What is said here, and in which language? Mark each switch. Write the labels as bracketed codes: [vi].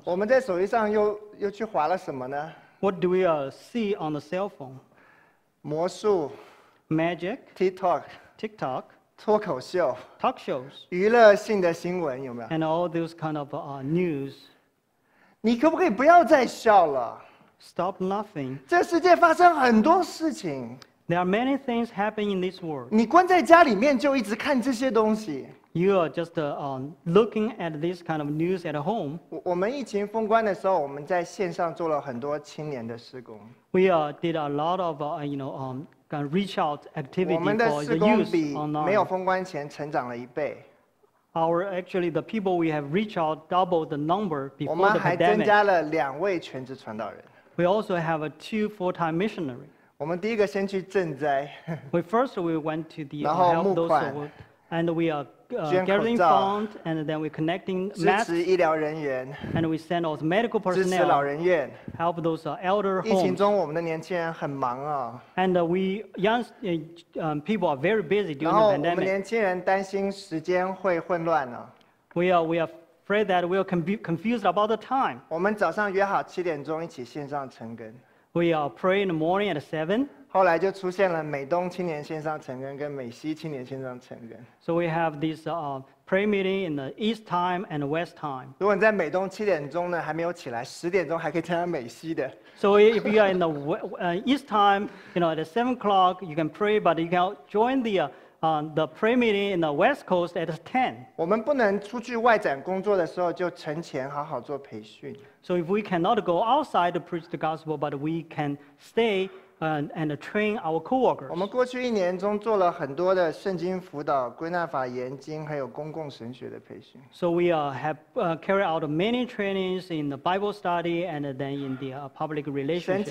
[zh] 我们在手机上又去滑了什么呢 [en] ？What do we see on the cell phone? [zh] 魔术 [en] ，magic. [zh] TikTok. 脱口秀 [en] ，talk shows. [zh] 娱乐性的新闻有没有 [en] ？And all those kind of news. [zh] 你可不可以不要再笑了 [en] ？Stop laughing. [zh] 这世界发生很多事情。 [en] There are many things happening in this world. [zh] 你关在家里面就一直看这些东西。 [en] You are just looking at this kind of news at home. [zh] 我们疫情封关的时候，我们在线上做了很多青年的施工。 [en] We did a lot of reach out activity for the youth online. [zh] 我们的施工比没有封关前成长了一倍。 [en] Actually, the people we have reached out doubled the number before the pandemic. [zh] 我们还增加了两位全职传道人。 [en] We also have two full-time missionaries. [zh] 我们第一个先去赈灾。 [en] We went to the help those who and we are. Getting funds, and then we're connecting masks. [zh] 支持医疗人员 [en] and we send all the medical personnel. [zh] 支持老人院 [en] help those elder homes. [zh] 疫情中，我们的年轻人很忙啊 [en] And we young people are very busy during the pandemic. [zh] 然后我们年轻人担心时间会混乱呢 [en] We are afraid that we are confused about the time. [zh] 我们早上约好七点钟一起线上晨更 [en] We are praying in the morning at 7. [zh] 后来就出现了美东青年线上晨更跟美西青年线上晨更。 [en] So we have this prayer meeting in the east time and the west time. [zh] 如果你在美东七点钟呢还没有起来，十点钟还可以参加美西的。 [en] So if you are in the east time, you know, at 7 o'clock, you can pray, but you can join the prayer meeting in the west coast at 10. [zh] 我们不能出去外展工作的时候就沉潜好好做培训。 [en] So if we cannot go outside to preach the gospel, but we can stay. And train our coworkers. [zh] 我们过去一年中做了很多的圣经辅导、归纳法研经，还有公共神学的培训。 [en] So we have carried out many trainings in the Bible study and then in the public relationship.